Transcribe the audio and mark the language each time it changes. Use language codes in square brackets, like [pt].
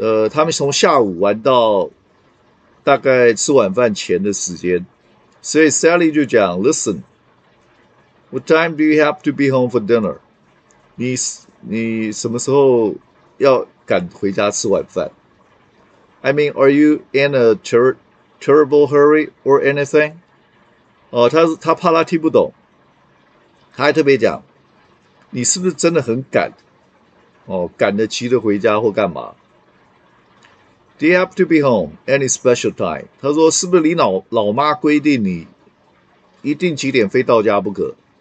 [zh] 他们从下午玩到大概吃晚饭前的时间，所以 Sally 就讲： [en] “Listen，What time do you have to be home for dinner？ [zh] 你什么时候要赶回家吃晚饭？” [en] I mean, are you in a terrible hurry or anything? [zh] 他怕他听不懂，他还特别讲，你是不是真的很赶？赶得急着回家或干嘛？ [en] Do you have to be home any special time? [zh] 他说是不是你老妈规定你一定几点非到家不可？